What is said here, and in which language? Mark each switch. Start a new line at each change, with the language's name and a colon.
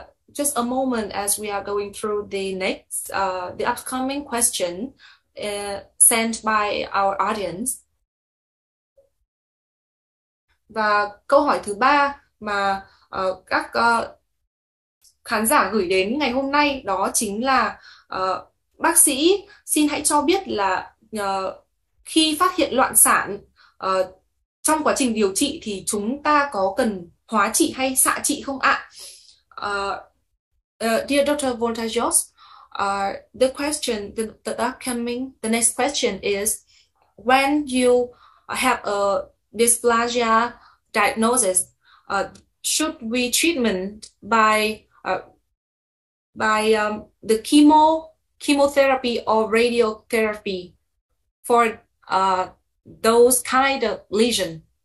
English: Just a moment as we are going through the next, the upcoming question sent by our audience.
Vietnamese: Và câu hỏi thứ ba mà các khán giả gửi đến ngày hôm nay đó chính là bác sĩ xin hãy cho biết là khi phát hiện loạn sản trong quá trình điều trị thì chúng ta có cần hóa trị hay xạ trị không ạ?
English: Dear Dr. Voltajos, the next question is when you have a dysplasia diagnosis, should we treatment by the chemotherapy or radiotherapy for those kind of lesion?